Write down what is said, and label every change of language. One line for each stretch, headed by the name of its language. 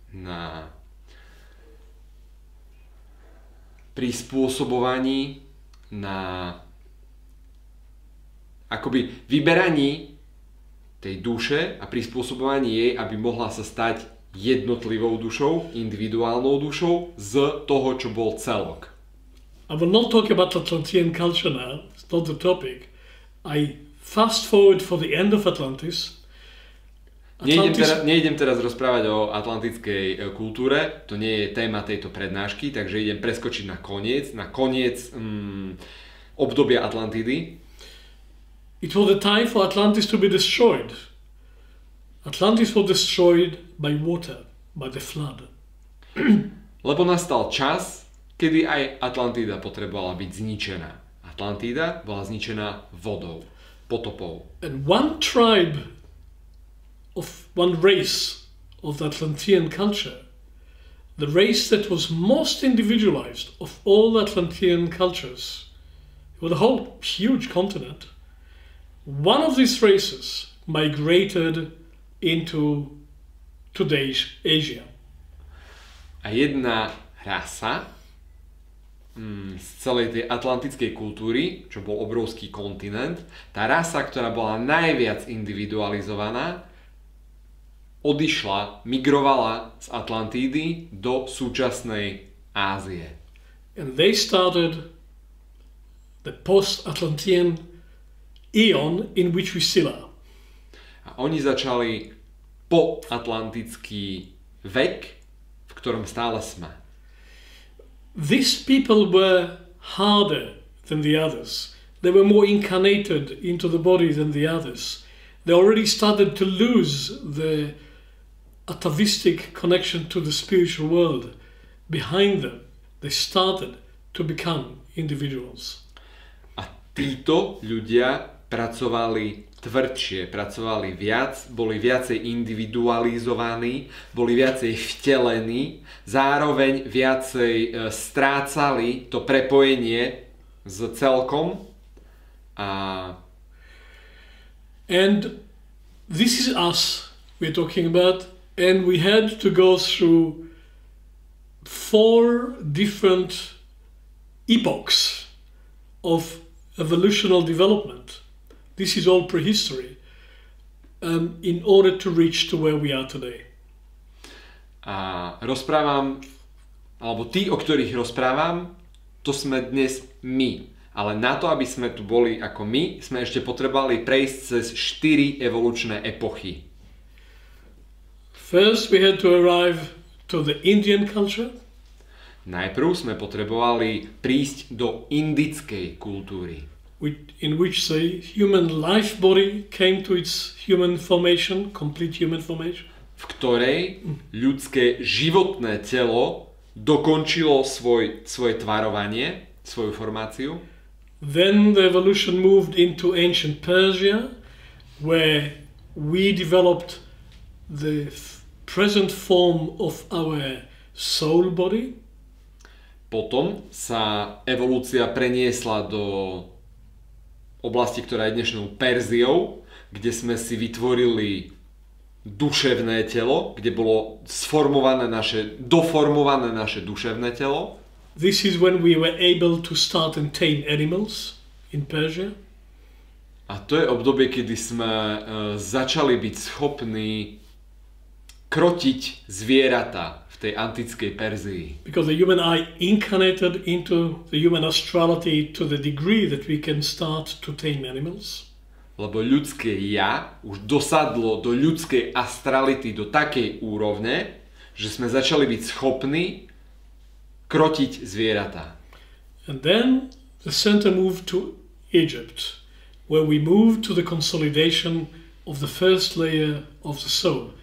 Slovak: na prispôsobovaní, na akoby vyberaní tej duše a prispôsobovaní jej, aby mohla sa stať jednotlivou dušou, individuálnou dušou z toho, čo bol celok.
English: I will not talk about the Atlantean culture now. It's not the topic. I fast forward for the end of Atlantis.
Slovak: Nejdem teraz rozprávať o atlantickej kultúre, to nie je téma tejto prednášky, takže idem preskočiť na koniec obdobia Atlantidy.
English: It was the time for Atlantis to be destroyed. Atlantis was destroyed by water, by the flood.
Slovak: Lebo nastal čas, kedy aj Atlantida potrebovala byť zničená. Atlantida bola zničená vodou, potopou.
English: And one tribe of one race of the Atlantean culture, the race that was most individualized of all Atlantean cultures, with a whole huge continent, one of these races migrated into today's Asia.
Slovak: A jedna rasa z celej tej atlantickej kultúry, čo bol obrovský kontinent, tá rasa, ktorá bola najviac individualizovaná, odišla, migrovala z Atlantídy do súčasnej Ázie.
English: And they started the post-Atlantean eon in which we still are.
Slovak: A oni začali poatlantický vek, v ktorom stále sme.
English: These people were harder than the others. They were more incarnated into the body than the others. They already started to lose the atavistic connection to the spiritual world behind them. They started to become individuals.
Slovak: A títo ľudia pracovali tvrdšie, pracovali viac, boli viacej individualizovaní, boli viacej vtelení, zároveň viacej strácali to prepojenie s celkom. A
English: and this is us we're talking about. And we had to go through four different epochs of evolutional development. This is all prehistory. In order to reach to where we are today.
Slovak: A rozprávam, alebo tí, o ktorých rozprávam, to sme dnes my. Ale na to, aby sme tu boli ako my, sme ešte potrebovali prejsť cez 4 evolučné epochy.
English: First we had to arrive to the Indian culture.
Slovak: Najprv sme potrebovali prísť do indickej kultúry.
English: In which the human life body came to its human formation, complete human formation.
Slovak: V ktorej ľudské životné telo dokončilo svoje tvarovanie, svoju formáciu.
English: Then the evolution moved into ancient Persia, where we developed the present form of our soul body.
Slovak: Potom sa evolúcia preniesla do oblasti, ktorá je dnešnou Perziou, kde sme si vytvorili duševné telo, kde bolo sformované naše, doformované naše duševné telo.
English: This is when we were able to start and tame animals in Persia.
Slovak: A to je obdobie, kedy sme začali byť schopní krotiť zvieratá v tej antickej Perzii.
English: Because the human eye incarnated into the human astrality to the degree that we can start to tame animals.
Slovak: Lebo ľudské ja už dosadlo do ľudskej astrality do takej úrovne, že sme začali byť schopní krotiť zvieratá.
English: And then the center moved to Egypt, where we moved to the consolidation of the first layer of the soul.